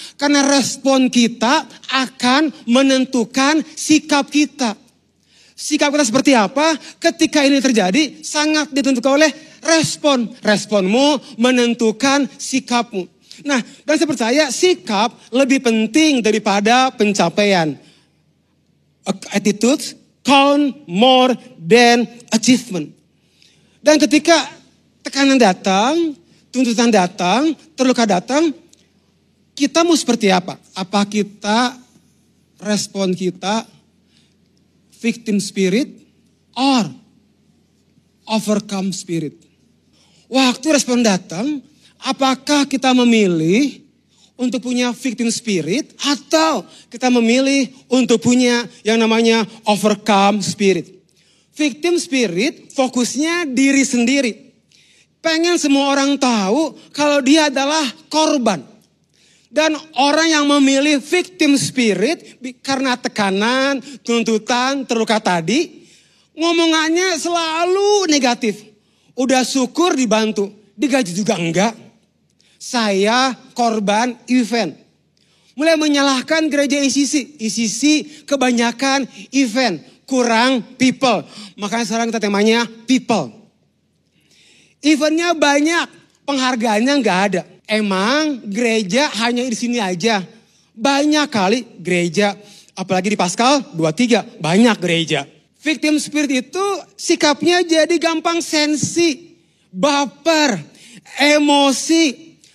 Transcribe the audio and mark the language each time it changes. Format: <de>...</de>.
<id>Karena respon kita akan menentukan sikap kita. Sikap kita seperti apa ketika ini terjadi sangat ditentukan oleh respon. Responmu menentukan sikapmu. Nah, dan saya percaya sikap lebih penting daripada pencapaian.</id> <en>Attitudes count more than achievement.</en> <id>Dan ketika tekanan datang, tuntutan datang, terluka datang, kita mau seperti apa? Apa kita respon kita</id> <en>victim spirit or overcome spirit?</en> <id>Waktu respon datang, apakah kita memilih untuk punya victim spirit atau kita memilih untuk punya yang namanya overcome spirit? Victim spirit fokusnya diri sendiri. pengen semua orang tahu kalau dia adalah korban. Dan orang yang memilih victim spirit karena tekanan, tuntutan, terluka tadi, ngomongannya selalu negatif. Udah syukur dibantu, digaji juga enggak. Saya korban event. Mulai menyalahkan gereja ICC. ICC kebanyakan event, kurang people. Makanya sekarang kita temanya people. Eventnya banyak, penghargaannya enggak ada. Emang gereja hanya di sini aja? Banyak kali gereja, apalagi di Paskal 2-3, banyak gereja. Victim spirit itu sikapnya jadi gampang sensi, baper, emosi.</id>